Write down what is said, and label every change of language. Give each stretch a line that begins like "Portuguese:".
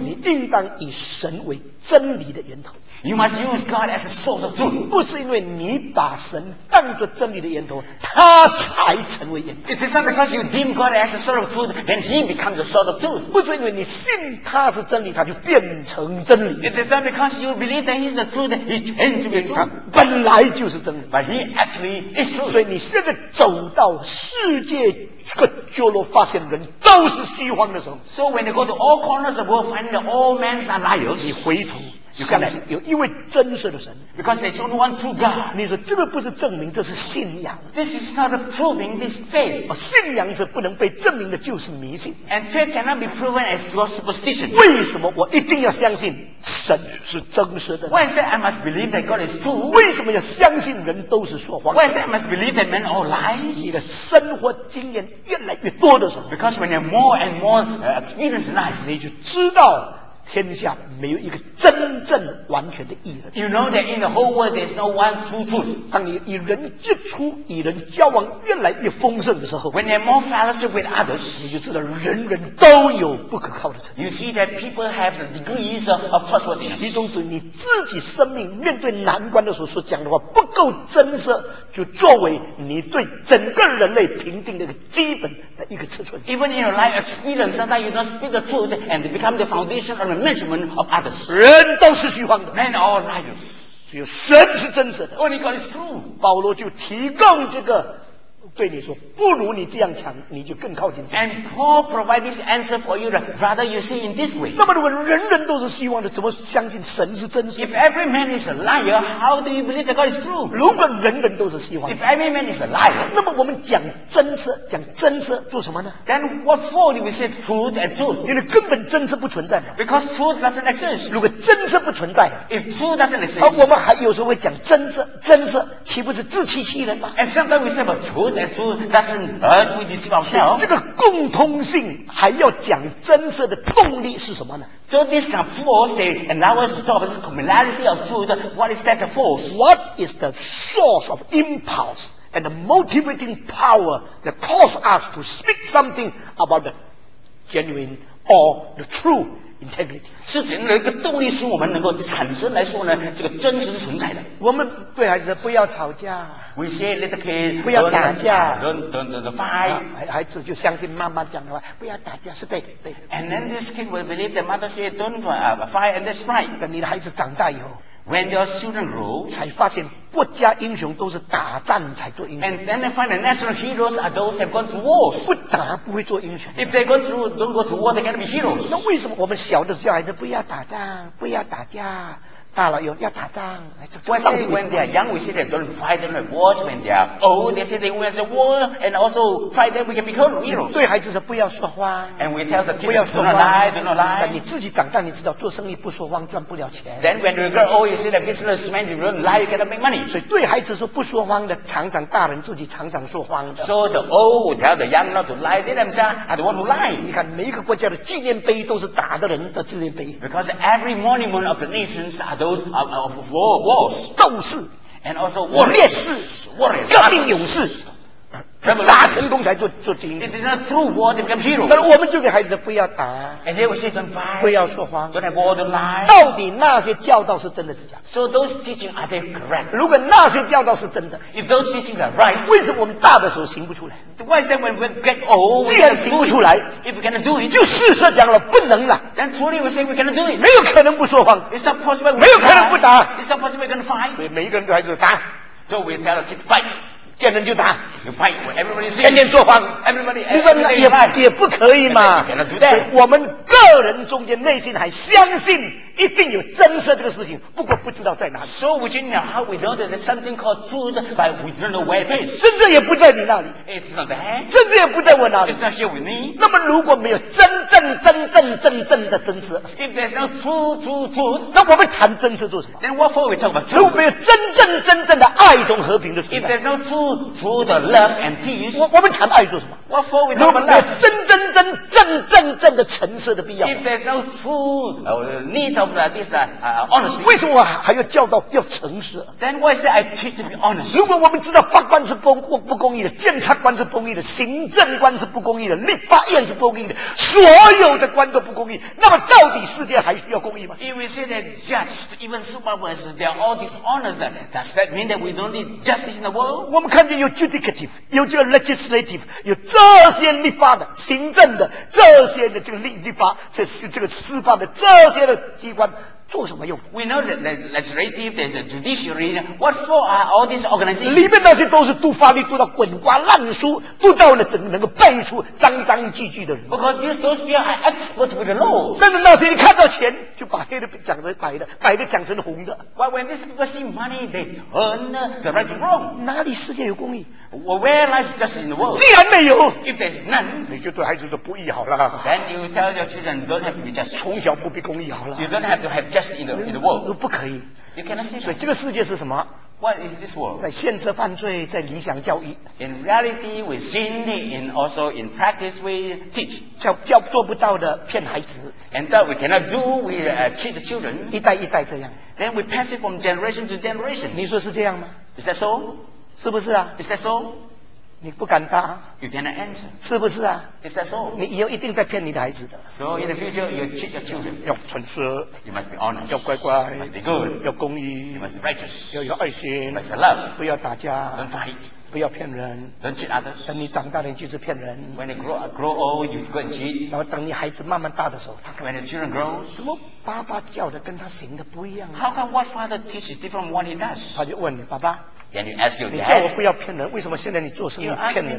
Chinese: 你应当以神为真理的源头。
English: You must use God as a source of truth.
Chinese: 不是因为你把神当作真理的源头，他才成为源头。
English: It is not because you deem God as a source of truth, then he becomes a source of truth.
Chinese: 不是因为你信他是真理，他就变成真理。
English: It is not because you believe that he is the truth, he changes to be truth.
Chinese: 本来就是真理。
English: But he actually is truth.
Chinese: 所以你现在走到世界各角落，发现人都是虚谎的时候。
English: So when you go to all corners of the world, finding that all men are liars.
Chinese: 你回头。你看来有一位真实的神
English: ，because there's only one true God。
Chinese: 你说这个不是证明，这是信仰。
English: This is not a proving, this faith。
Chinese: 信仰是不能被证明的，就是迷信。
English: And faith cannot be proven as your superstition。
Chinese: 为什么我一定要相信神是真实的
English: ？Why is that I must believe that God is true？
Chinese: 为什么要相信人都是说谎
English: ？Why is that I must believe that men are lying？
Chinese: 你的生活经验越来越多的时候
English: ，because when you're more and more experience life，
Chinese: 你就知道。天下没有一个真正完全的义人。
English: You know that in the whole world there's no one true truth.
Chinese: 当你与人接触、与人交往越来越丰盛的时候
English: ，When you have more fellowship with others，
Chinese: 你就知道人人都有不可靠的成分。
English: You see that people have the degrees of trustworthiness。
Chinese: 其中是你自己生命面对难关的时候所讲的话不够真实，就作为你对整个人类评定的一个基本的一个尺寸。
English: Even in your life experience, sometimes you don't speak the truth and become the foundation of measurement of others.
Chinese: 人都是虚幻的。
English: Men are liars.
Chinese: 只有神是真实的。
English: Only God is true.
Chinese: 保罗就提供这个对你说，不如你这样想，你就更靠近。
English: And Paul provides this answer for you, rather you say in this way.
Chinese: 那么如果人人都是虚妄的，怎么相信神是真实？
English: If every man is a liar, how do you believe that God is true?
Chinese: 如果人人都是虚妄，
English: If every man is a liar,
Chinese: 那么我们讲真实，讲真实做什么呢？
English: Then what for do we say truth and truth?
Chinese: 因为根本真实不存在。
English: Because truth doesn't exist.
Chinese: 如果真实不存在，
English: If truth doesn't exist,
Chinese: 而我们还有时候会讲真实，真实岂不是自欺欺人吗？
English: And sometimes we say about truth and doesn't we deceive ourselves.
Chinese: 这个共通性还要讲真实的动力是什么呢？
English: So this kind of force they allow us to talk about this commonality of truth. What is that force? What is the source of impulse and the motivating power that cause us to speak something about the genuine or the true integrity?
Chinese: 是怎样的一个动力使我们能够产生来说呢？这个真实是存在的。我们对孩子不要吵架。
English: We say little kid,
Chinese: 不要打架
English: don't fight.
Chinese: 孩子就相信妈妈讲的话，不要打架是对的。
English: And then this kid will believe the mother say, don't fight, and that's right.
Chinese: 等你的孩子长大以后
English: ，When your children grow,
Chinese: 才发现国家英雄都是打仗才做英雄。
English: And then they find the national heroes are those who have gone to wars.
Chinese: 不打不会做英雄。
English: If they go through, don't go to war, they cannot be heroes.
Chinese: 那为什么我们小的时候叫孩子不要打仗，不要打架？大了又要打仗，为什么
English: ？When they are young, we say they don't fight them at wars. When they are old, they say they win the war and also fight them. We can become heroes.
Chinese: 对孩子说不要说谎。
English: And we tell the kids, do not lie.
Chinese: 你自己长大，你知道做生意不说谎赚不了钱。
English: Then when you grow old, you see that businessman you don't lie, you cannot make money.
Chinese: 所以对孩子说不说谎的，常常大人自己常常说谎的。
English: So the old will tell the young not to lie. They themselves are the one who lie.
Chinese: 你看每一个国家的纪念碑都是打的人的纪念碑。
English: Because every monument of the nations are those of wars,
Chinese: 斗士
English: and also warriors,
Chinese: 我烈士，革命勇士，打成功才做精英。
English: It is not through war they become heroes.
Chinese: 但是我们就给孩子不要打
English: ，and they will say don't fight,
Chinese: 不要说谎
English: ，don't have war, don't lie.
Chinese: 到底那些教导是真的是假
English: ？So those teaching are they correct?
Chinese: 如果那些教导是真的
English: ，if those teachings are right,
Chinese: 为什么我们大的时候行不出来
English: ？Why is that when we get old?
Chinese: 既然行不出来
English: ，if we cannot do it,
Chinese: 就事实讲了不能了。
English: Then truly we say we cannot do it.
Chinese: 没有可能不说谎
English: ，it's not possible.
Chinese: 没有可能不打
English: ，it's not possible. We can fight.
Chinese: 所以每一个人对孩子打
English: ，so we tell the kids fight.
Chinese: 见人就打
English: ，You fight for everybody's sake，
Chinese: 天天说谎
English: ，Everybody
Chinese: 也不可以嘛。我们个人中间内心还相信一定有真实这个事情，不过不知道在哪里。
English: So within your heart we know that there's something called truth, but we don't know where it is。
Chinese: 甚至也不在你那里
English: ，It's not there。
Chinese: 甚至也不在我那里
English: ，It's not here with me。
Chinese: 那么如果没有真正的真实
English: ，If there's no truth，
Chinese: 那我们谈真实做什么
English: ？Then what for we talk about truth？
Chinese: 如果没有真正的爱同和平的存在
English: ，If there's no truth。 through the love and peace.
Chinese: 我们谈爱做什么？
English: What for we talk about love?
Chinese: 如果真真真正正正的诚实的必要。
English: If there's no true need of this honesty.
Chinese: 为什么我还要教导要诚实？
English: Then why should I teach to be honest?
Chinese: 如果我们知道法官是不公义的，检察官是不公义的，行政官是不公义的，立法院是不公义的，所有的官都不公义，那么到底世界还需要公义吗？
English: If we say that judges, even supervisors, they're all dishonest, does that mean that we don't need justice in the world?
Chinese: 我们看见有 judicative, 有这个 legislative, 有这些立法的、行政的、这些的这个立法、这个司法的这些的机关。做什么用？
English: We know that the legislative, there's a judiciary. What for are all these organizations?
Chinese: 里面那些都是读法律读到滚瓜烂熟，读到了怎么能够背出脏脏句句的人？
English: Because those people are experts with the law.
Chinese: 但是那些一看到钱，就把黑的讲成白的，白的讲成红的。
English: But when these people see money, they turn the right and wrong.
Chinese: 哪里世界有公义？
English: Well, where lies justice in the world?
Chinese: 既然没有，
English: if there's none,
Chinese: 你就对孩子说不义好了。
English: Then you tell your children don't have to be just.
Chinese: 从小不必公义好了。
English: You don't have to have justice in the world.
Chinese: 不可以。
English: You cannot say.
Chinese: 所以这个世界是什么？
English: What is this world?
Chinese: 在现实犯罪，在理想教育。
English: In reality, we sin, and also in practice, we teach.
Chinese: 叫做不到的骗孩子。
English: And that we cannot do, we cheat the children.
Chinese: 一代一代这样。
English: Then we pass it from generation to generation.
Chinese: 你说是这样吗？
English: Is that so?
Chinese: 是不是啊？
English: Is that so?
Chinese: 你不敢答。
English: You cannot answer.
Chinese: 是不是啊？
English: Is that so?
Chinese: 你以后一定在骗你的孩子的。
English: So in the future, you cheat your children.
Chinese: 要诚实。
English: You must be honest.
Chinese: 要乖乖。
English: You must be good.
Chinese: 要公义。
English: You must be righteous.
Chinese: 要有爱心。
English: You must have love.
Chinese: 不要打架。
English: Don't fight.
Chinese: 不要骗人。
English: Don't cheat others.
Chinese: 等你长大，你就是骗人。
English: When they grow old, you go and cheat.
Chinese: 然后等你孩子慢慢大的时候，他
English: When the children grows,
Chinese: 怎么爸爸教的跟他行的不一样、啊、
English: ？How come what father teaches different what he does?
Chinese: 他就问你爸爸。
English: Then you ask your dad.
Chinese: 你叫我不要骗人，为什么现在你做生意骗人